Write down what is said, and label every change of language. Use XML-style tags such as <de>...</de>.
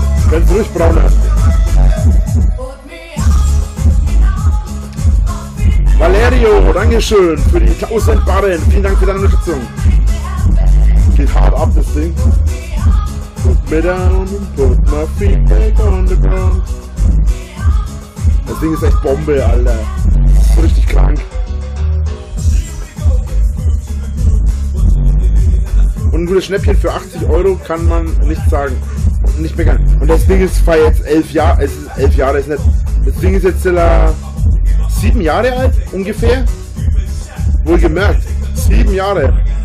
<de>Ganz ruhig, Brauner. Valerio, dankeschön für die 1000 Barren. Vielen Dank für deine Unterstützung. Geht hart ab, das Ding.</de> <en>Put me down and put my feet back on the ground.</en> <de>Das Ding ist echt Bombe, Alter. Das ist richtig krank. Und ein gutes Schnäppchen für 80 Euro kann man nicht sagen. Nicht meckern. Und das Ding ist feiert jetzt 11 Jahre. Es ist 11 Jahre, ist nicht. Das Ding ist jetzt 7 Jahre alt, ungefähr. Wohlgemerkt. 7 Jahre.</de>